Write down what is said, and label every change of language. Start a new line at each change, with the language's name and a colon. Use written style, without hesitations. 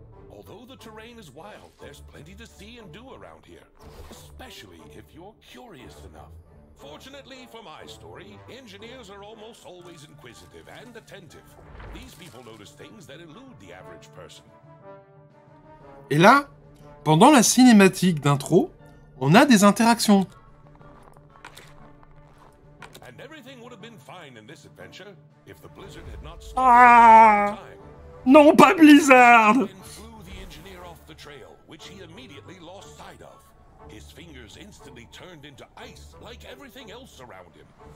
English: Although the terrain is wild, there's plenty to see and do around here. Especially if you're curious enough. Fortunately for my story, engineers are almost always inquisitive and attentive. These people notice things that elude the average person.
French: Et là, pendant la cinématique d'intro, on a des interactions.
English: And everything would have been fine in this adventure if the blizzard had not stopped.
French: Non, pas Blizzard!
English: The engineer off the trail, which he immediately lost sight of. His fingers instantly turned into ice, like everything else around him.